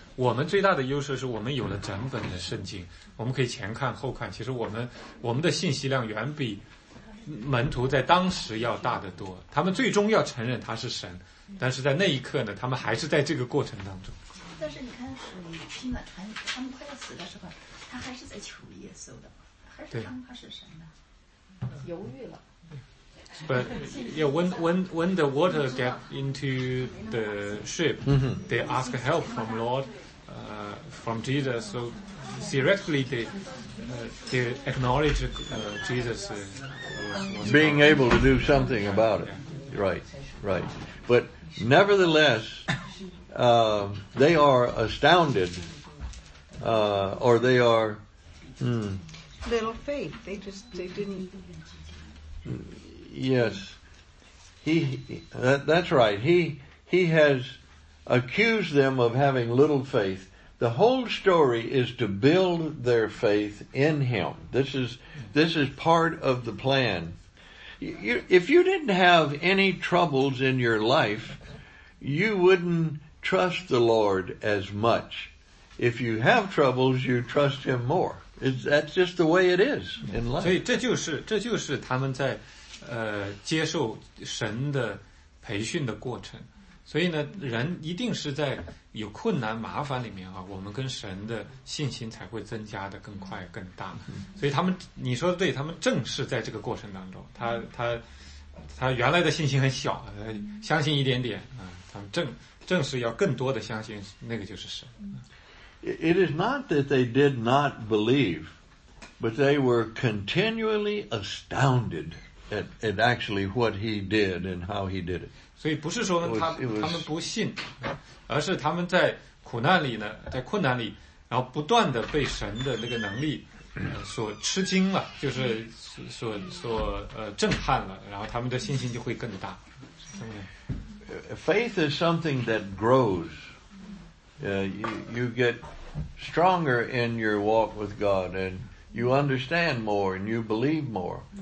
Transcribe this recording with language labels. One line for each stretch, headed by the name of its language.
Chinese: 我们最大的优势是我们有了整本的圣经，我们可以前看后看，其实我们的信息量远比门徒在当时要大得多。他们最终要承认他是神，但是在那一刻呢，他们还是在这个过程当中。但是你看，是听了传，他们快要死的时候，他还是在求耶稣的，还是当他是神的，犹豫了。
English: But yeah, when the water get into the ship, they ask help from Lord, from Jesus. So theoretically, they acknowledge Jesus being able to do something about it. Yeah. Right, right. But nevertheless, they are astounded, or they are little faith. They didn't. Yes, that's right. He has accused them of having little faith. The whole story is to build their faith in him. This is part of the plan. If you didn't have any troubles in your life, you wouldn't trust the Lord as much. If you have troubles, you trust him more. That's just the way it is in life.
Chinese: 所以这就是他们在接受神的培训的过程，所以呢，人一定是在有困难麻烦里面啊，我们跟神的信心才会增加的更快更大。所以他们，你说的对，他们正是在这个过程当中，他他原来的信心很小，他相信一点点，他们正是要更多的相信那个就是神。
English: It is not that they did not believe, but they were continually astounded at actually what he did and how he did it.
Chinese: 所以不是说他们不信，而是他们在苦难里呢，在困难里，然后不断的被神的那个能力所吃惊了，就是所震撼了，然后他们的信心就会更大。
English: Faith is something that grows. You get stronger in your walk with God, and you understand more, and you believe more.